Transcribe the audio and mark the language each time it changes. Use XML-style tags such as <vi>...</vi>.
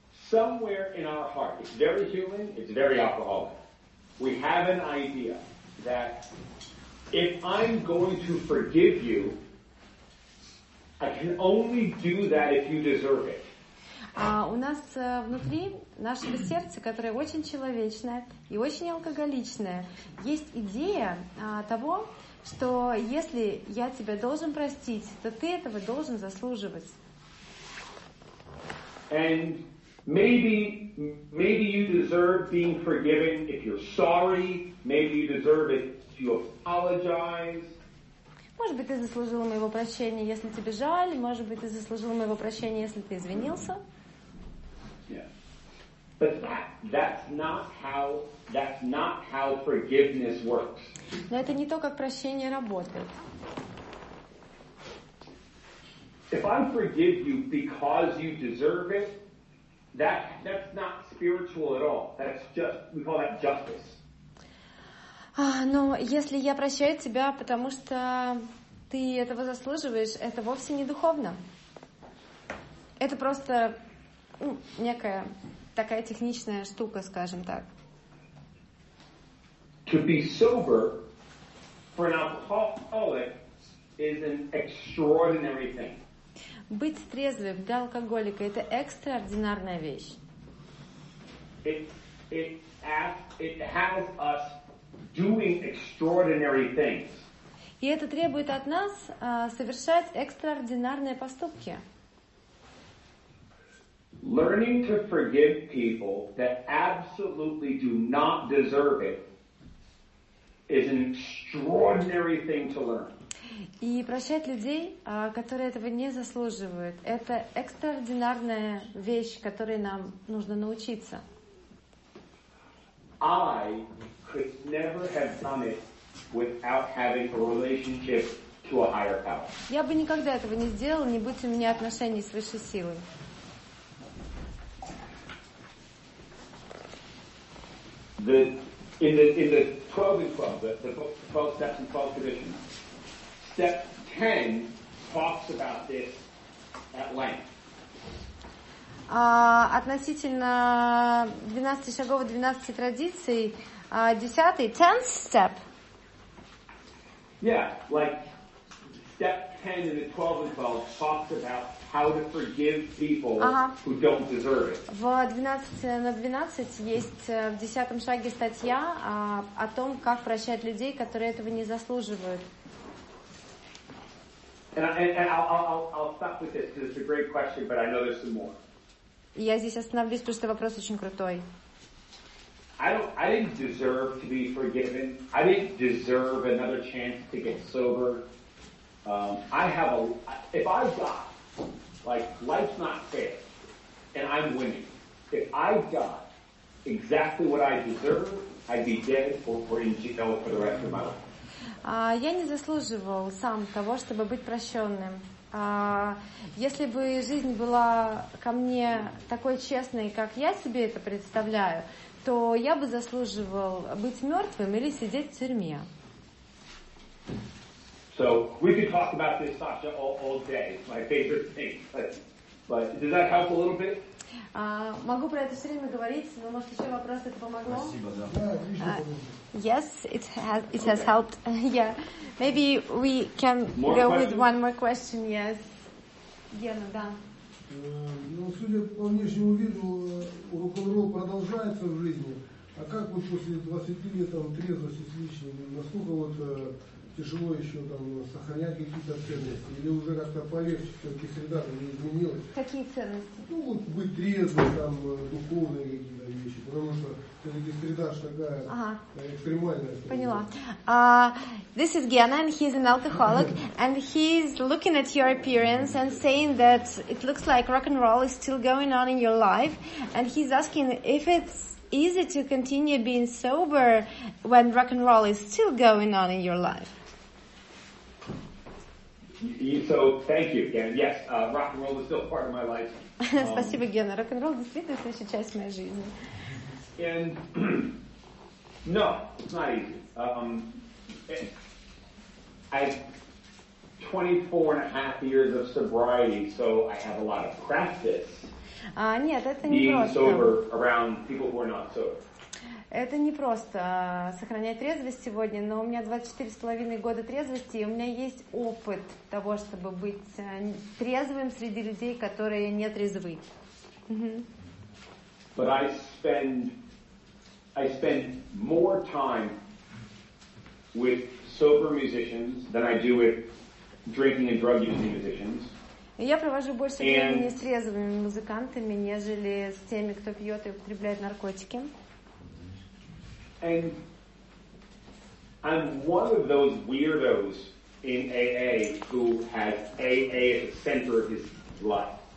<en>Somewhere in our heart, it's very human, it's very alcoholic. We have an idea that if I'm going to forgive you, I can only do that if you deserve it.</en> <ru>У нас внутри нашего сердца, которое очень человечное и очень алкоголичное, есть идея того, что если я тебя должен простить, то ты этого должен заслуживать.</ru> <en>And maybe you deserve being forgiven if you're sorry. Maybe you deserve it if you apologize.</en> <ru>Может быть, ты заслужил моего прощения, если тебе жаль. Может быть, ты заслужил моего прощения, если ты извинился.</ru> <en>Yeah. But that's not how forgiveness works.</en> <ru>Но это не то, как прощение работает.</ru> <en>If I forgive you because you deserve it, that's not spiritual at all. That's just, we call that justice.</en> <ru>Но если я прощаю тебя, потому что ты этого заслуживаешь, это вовсе не духовно. Это просто некая такая техничная штука, скажем так.</ru> <en>To be sober for an alcoholic is an extraordinary thing.</en> <ru>Быть трезвым для алкоголика — это экстраординарная вещь.</ru> <en>It has us doing extraordinary things.</en> <ru>И это требует от нас совершать экстраординарные поступки.</ru> <en>Learning to forgive people that absolutely do not deserve it is an extraordinary thing to learn.</en> <ru>И прощать людей, которые этого не заслуживают, это экстраординарная вещь, которой нам нужно научиться.</ru> <en>I could never have done it without having a relationship to a higher power.</en> <ru>Я бы никогда этого не сделал, не будь у меня отношений с высшей силой.</ru> <en>In the 12 and 12, the 12 steps and 12 traditions, step 10 talks about this at length.</en> <ru>Относительно 12 шагов и 12 традиций, 10-й,</ru> <en>10th step. Yeah, like step 10 in the 12 and 12 talks about how to forgive people who don't deserve it.</en> <ru>В 12 на 12 есть в 10-м шаге статья о том, как прощать людей, которые этого не заслуживают.</ru> <en>And I'll stop with this, because it's a great question, but I know there's some more.</en> <ru>Я здесь остановлюсь, потому что вопрос очень крутой.</ru> <en>I didn't deserve to be forgiven. I didn't deserve another chance to get sober. If I die, like life's not fair, and I'm winning. If I die exactly what I deserve, I'd be dead or in jail for the rest of my life.</en> <ru>Я не заслуживал сам того, чтобы быть прощенным. Если бы жизнь была ко мне такой честной, как я себе это представляю, то я бы заслуживал быть мертвым или сидеть в тюрьме.</ru> <en>So we could talk about this, Sasha, all day. My favorite thing. But does that help a little bit?</en> <ru>Могу про это все время говорить, но может еще вопрос это помогло? Спасибо, да.</ru> <en>Yes, it has helped. Yeah, maybe we can more go questions? With one more question. Yes, Гена,</en> <ru>да. Ну, судя по внешнему виду, рок-н-ролл продолжается в жизни. А как вот после 20 лет там трезвости с личным, насколько вот тяжело еще там сохранять какие-то ценности? Или уже как-то полегче, все-таки среда там не изменилась? Какие ценности? Ну, вот быть трезвым, там, духовные какие-то вещи. Потому что все-таки среда же такая экстремальная. Среда. Поняла.</ru> <en>This is Gena, and he's an alcoholic. And he's looking at your appearance and saying that it looks like rock and roll is still going on in your life. And he's asking if it's easy to continue being sober when rock and roll is still going on in your life. So, thank you, Gena. Yes, rock and roll is still part of my life.</en> <ru>Спасибо, Гена.</ru> <en>Rock and roll</en> <ru>действительно все еще часть моей жизни.</ru> <en>And no, it's not easy. I've 24 and a half years of sobriety, so I have a lot of practice.</en> <ru>Нет, это не просто.</ru> <en>Being sober around people who are not sober.</en> <ru>Это не просто сохранять трезвость сегодня, но у меня 24 с половиной года трезвости, и у меня есть опыт того, чтобы быть трезвым среди людей, которые не трезвы.</ru> <en>But I spend more time with sober musicians than I do with drinking and drug using musicians.</en> <ru>Я провожу больше времени с трезвыми музыкантами, нежели с теми, кто пьет и употребляет наркотики.</ru> <en>And I'm one of those weirdos in AA who has AA at the center of his life.</en>